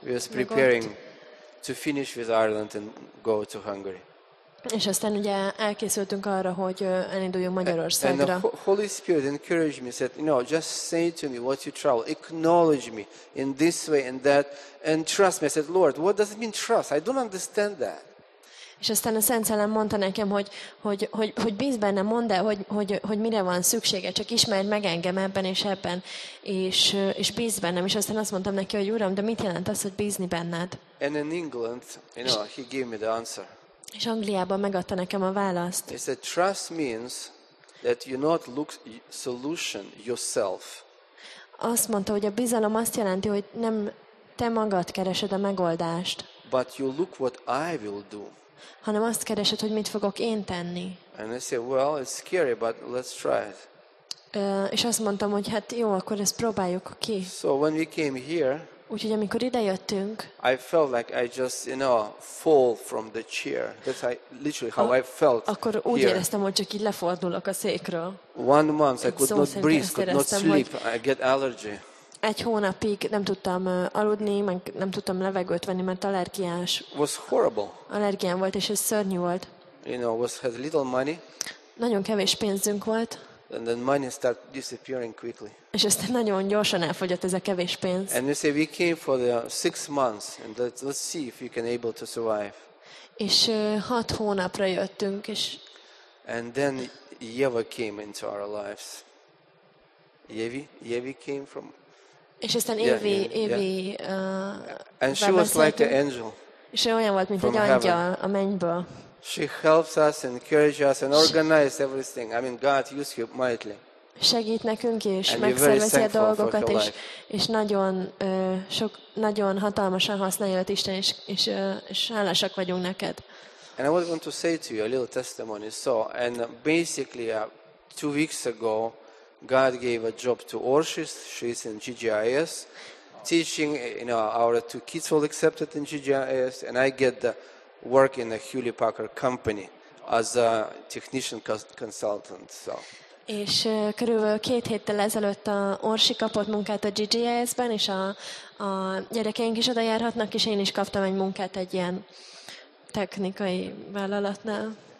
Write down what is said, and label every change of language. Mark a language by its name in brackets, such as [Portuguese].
[English] We was preparing to finish with Ireland and go to Hungary. [Hungarian] És aztán ugye elkészültünk arra, hogy elinduljunk Magyarországra. [English] And the Holy Spirit encouraged me, said, you know, just say to me what you travel, acknowledge me in this way and that, and trust me. I said, Lord, what does it mean trust? I don't understand that. [Hungarian] És aztán a Szent Szellem mondta nekem, hogy bízz benne, mondd el, hogy mire van szüksége, csak ismerd meg engem ebben és ebben, és bízz bennem. És aztán azt mondtam neki, hogy Uram, de mit jelent az, hogy bízni benned? [English] And in England, you know, he gave me the answer. [Hungarian] És Angliában megadta nekem a választ. [English] He said, trust means that you not look solution yourself. [Hungarian] Azt mondta, hogy a bizalom azt jelenti, hogy nem te magad keresed a megoldást. [English] But you look what I will do. [Hungarian] Hanem azt keresed, hogy mit fogok én tenni. [English] And I said, well, it's scary, but let's try it. [Hungarian] És azt mondtam, hogy hát jó, akkor ezt próbáljuk ki. [English] So when we came here, [Hungarian] úgyhogy amikor idejöttünk, [English] I felt like I just, you know, fall from the chair. That's literally how I felt. [Hungarian] Akkor úgy [English] here. [Hungarian] Éreztem, hogy csak így lefordulok a székről. [English] One month I could not breathe, could not sleep. I get allergy. [Hungarian] Egy hónapig nem tudtam aludni, meg nem tudtam levegőt venni, mert allergiás. [English] Was horrible. [Hungarian] Allergiám volt, és ez szörnyű volt. [English] You know, had little money. [Hungarian] Nagyon kevés pénzünk volt. [English] And then money start disappearing quickly. [Hungarian] És aztán nagyon gyorsan elfogyott ez a kevés pénz. [English] And you say we came for the 6 months, and let's see if we can able to survive. [Hungarian] És 6 hónapra jöttünk, és. [English] And then Yevi came into our lives. Yevi came from. [Hungarian] És aztán Évi. [English] And she was like an angel. [Hungarian] És olyan volt, mint egy angyal a mennyből. [English] She helps us, encourages us, and organizes everything. I mean, God used you mightily. [Hungarian] Segít nekünk és megszervezi a dolgokat, és nagyon sok, nagyon hatalmasan használja őt Isten, és hálásak vagyunk neked. [English] And I was going to say to you a little testimony. So, and basically, 2 weeks ago, God gave a job to Orsis. She's in GGIS teaching. You know, our 2 kids were accepted in GGIS, and I get the work in a Hewlett Packard company as a technician consultant. So. [Hungarian] És körülbelül 2 héttel ezelőtt a Orsi kapott munkát a GGIS-ben, és a gyerekeink is oda járhatnak, és én is kaptam egy munkát egy ilyen technikai vállalatnál.